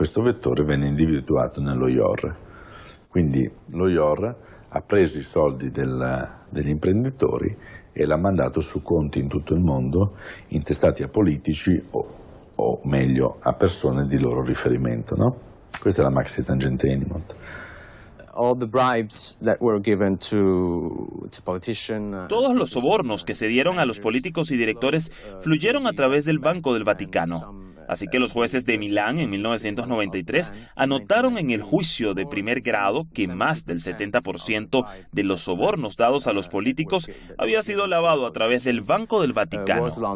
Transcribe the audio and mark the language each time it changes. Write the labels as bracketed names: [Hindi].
[Italian] Questo vettore venne individuato nello IOR. Quindi lo IOR ha preso i soldi degli imprenditori e l'ha mandato su conti in tutto il mondo, intestati a politici o meglio a persone di loro riferimento, no? Questa è la maxi tangente Enimont. [English] All the bribes that were given to politicians. [Spanish] Todos los sobornos que se dieron a los políticos y directores fluyeron a través del Banco del Vaticano. Así que los jueces de Milán en 1993 anotaron en el juicio de primer grado que más del 70% de los sobornos dados a los políticos había sido lavado a través del Banco del Vaticano.